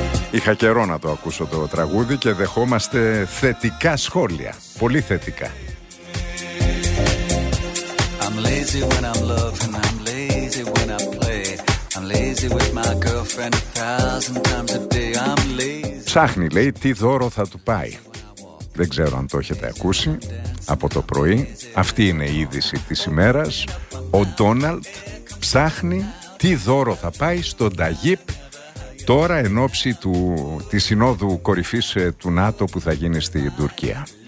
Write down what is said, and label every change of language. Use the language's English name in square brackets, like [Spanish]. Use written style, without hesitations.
[Greek] Είχα καιρό να το ακούσω το τραγούδι και δεχόμαστε θετικά σχόλια. Πολύ θετικά. [English] I'm lazy when I'm loving, I'm lazy when I play. I'm lazy with my girlfriend a thousand times a day. I'm lazy. [Greek] Ψάχνει, λέει, τι δώρο θα του πάει. Δεν ξέρω αν το έχετε ακούσει από το πρωί. Αυτή είναι η είδηση της ημέρας. Ο Ντόναλντ ψάχνει τι δώρο θα πάει στον Ταγίπ τώρα εν ώψη της συνόδου κορυφής του ΝΑΤΟ που θα γίνει στην Τουρκία.